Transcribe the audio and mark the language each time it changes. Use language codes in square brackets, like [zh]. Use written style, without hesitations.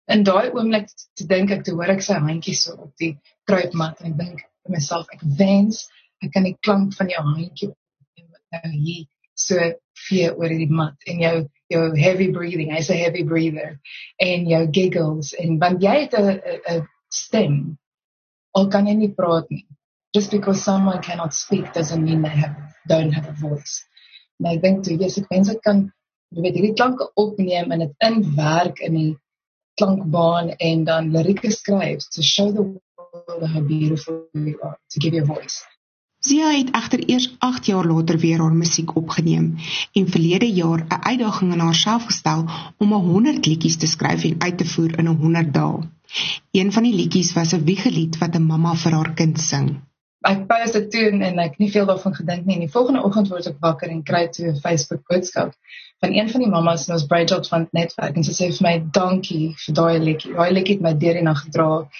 [af] En daai oomblik te dink, ek hoor ek sy handjie so op die kruipmat, en ek dink vir myself, ek wens, ek kan die klank van jou handjie opneem, wat nou hier so vee oor die mat, en jou [en] heavy breathing, [af] hy's [en] a heavy breather, [af] en jou giggles, en want jy het a stem, al kan jy nie praat nie. [en] Just because someone cannot speak doesn't mean they don't have a voice. [af] Maar ek dink toe, yes, ek wens ek kan, jy weet, hierdie klanke opneem en het inwerk in die klankbaan en dan lirieke skryf [en] to show the world how beautiful you are, to give you a voice. [af] Zia het echter eers 8 jaar later weer haar musiek opgeneem en verlede jaar 'n uitdaging aan haarself gestel om 100 liedjies te skryf en uit te voer in 100 dae. Een van die liedjies was 'n wiegelied wat 'n mamma vir haar kind sing. Ek post dit toe en ek nie veel daarvan gedink nie. En die volgende oggend word ek wakker en kry toe 'n Facebook boodskap van een van die mamas in ons Bridgeout van netwerk. En sy sê vir my, dankie vir daai liedjie. Daai liedjie het my deur en dan gedra.